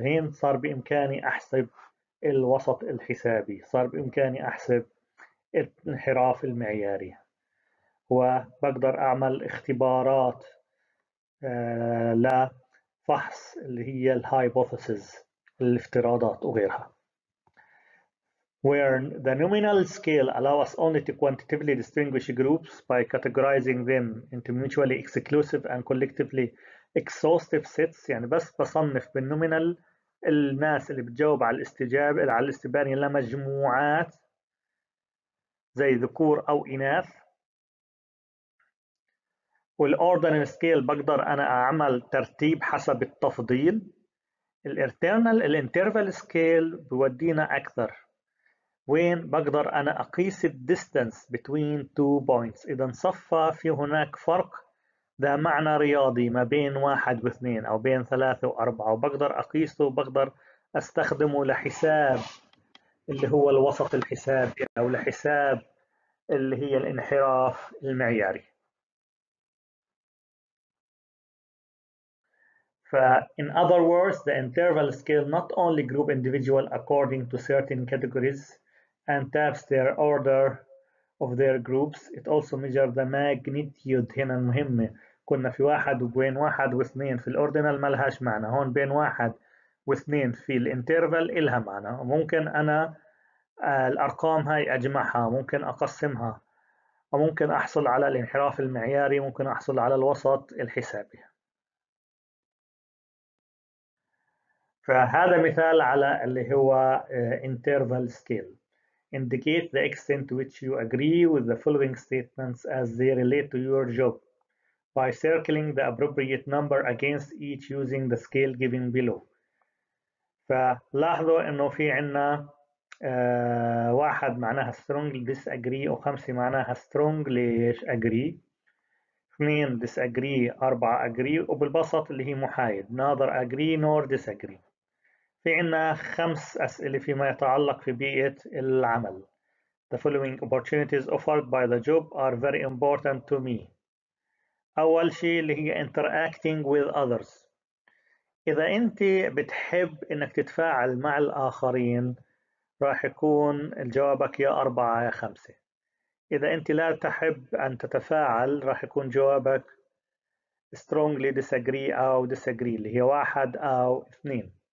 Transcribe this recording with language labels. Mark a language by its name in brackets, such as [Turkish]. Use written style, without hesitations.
[Arabic] هنا صار بإمكاني أحسب الوسط الحسابي، صار بإمكاني أحسب الانحراف المعياري، وبقدر أعمل اختبارات لفحص اللي هي الهايبوثيسز الافتراضات وغيرها. [English] where the nominal scale allows us only to quantitatively distinguish groups by categorizing them into mutually exclusive and collectively exhaustive sets. [Arabic] يعني بس بصنف بالنومينال الناس اللي بتجاوب على الاستجاب على الاستبانة لمجموعات زي ذكور أو إناث. والأوردنال سكيل بقدر أنا أعمل ترتيب حسب التفضيل. الإرتيرنال الانترفال سكيل بودينا أكثر وين بقدر أنا أقيس الديستانس [English] between two points. [Arabic] إذا صفى في هناك فرق ذا معنى رياضي ما بين واحد واثنين أو بين ثلاثة وأربعة وبقدر أقيسه وبقدر أستخدمه لحساب اللي هو الوسط الحسابي أو لحساب اللي هي الانحراف المعياري. [English] In other words, the interval scale not only group individual according to certain categories and taps their order of their groups, it also measures the magnitude. [Arabic] هنا المهمة كنا في واحد وبين واحد واثنين في الأوردينال ما لهاش معنى، هون بين واحد واثنين في الانترفال إلها معنى. ممكن أنا الأرقام هاي أجمعها، ممكن أقسمها، وممكن أحصل على الانحراف المعياري، ممكن أحصل على الوسط الحسابي. فهذا مثال على اللي هو interval scale. [English] Indicate the extent to which you agree with the following statements as they relate to your job by circling the appropriate number against each using the scale given below. [Arabic] فلاحظوا انه في عنا واحد معناها [English] strongly disagree [Arabic] وخمسة معناها [English] strongly agree. [Arabic] اثنين disagree اربعة agree وبالبسط اللي هي محايد. [English] Neither agree nor disagree. [Arabic] في عنا خمس أسئلة فيما يتعلق في بيئة العمل. [English] The following opportunities offered by the job are very important to me. [Arabic] أول شيء اللي هي [English] interacting with others. [Arabic] إذا أنت بتحب إنك تتفاعل مع الآخرين راح يكون جوابك يا أربعة يا خمسة. إذا أنت لا تحب أن تتفاعل راح يكون جوابك [English] strongly disagree [Arabic] أو disagree اللي هي واحد أو اثنين.